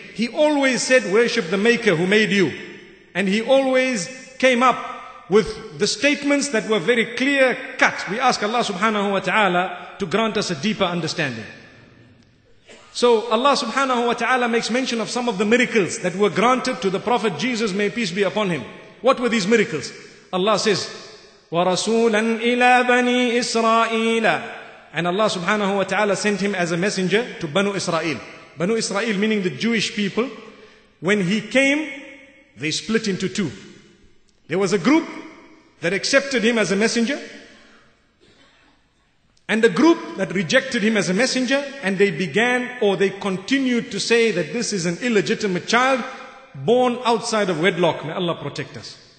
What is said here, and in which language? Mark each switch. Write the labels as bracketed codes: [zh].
[en] He always said, worship the maker who made you. And he always came up with the statements that were very clear cut. We ask Allah subhanahu wa ta'ala to grant us a deeper understanding. So Allah subhanahu wa ta'ala makes mention of some of the miracles that were granted to the Prophet Jesus, may peace be upon him. What were these miracles? Allah says, [ar] وَرَسُولًا إِلَىٰ بَنِي إِسْرَائِيلَ. [en] And Allah subhanahu wa ta'ala sent him as a messenger to Banu Israel. Banu Israel, meaning the Jewish people, when he came, they split into two. There was a group that accepted him as a messenger, and a group that rejected him as a messenger, and they began or they continued to say that this is an illegitimate child born outside of wedlock. May Allah protect us.